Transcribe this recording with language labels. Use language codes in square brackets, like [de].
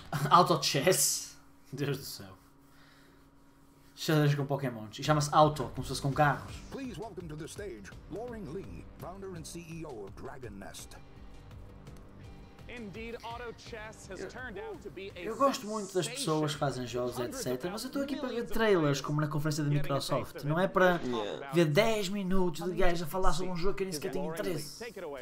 [pt] Auto chess? Deus do céu. Xadrez com pokémons. E chama-se Auto, como se fosse com carros. [en] Please welcome to the stage, Loring Lee, founder and CEO of Dragon Nest. Indeed, Auto Chess has turned out to be a sensation. [pt] Eu gosto muito das pessoas que fazem jogos, etc. Mas eu estou aqui para ver trailers, como na conferência da Microsoft. Não é para ver 10 minutos de gajos a falar sobre um jogo que eu nem sequer tenho interesse.